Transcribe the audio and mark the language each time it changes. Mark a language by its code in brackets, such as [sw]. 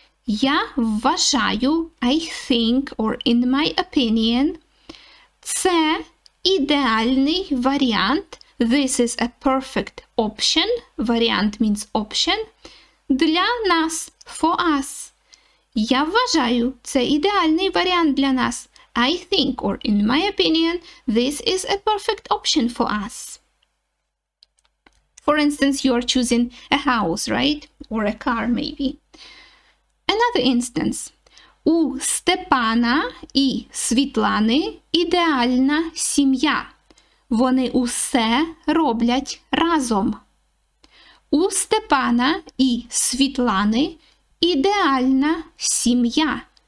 [uk] Я вважаю, [en] I think, or in my opinion, [uk] це ідеальний варіант, [en] this is a perfect option, варіант means option, [uk] для нас, [en] for us. [uk] Я вважаю, це ідеальний варіант для нас. [en] I think, or in my opinion, this is a perfect option for us. For instance, you are choosing a house, right? Or a car, maybe. Another instance. [uk] У Степана і Світлани ідеальна сім'я. Вони усе роблять разом. У Степана і Світлани ідеальна сім'я.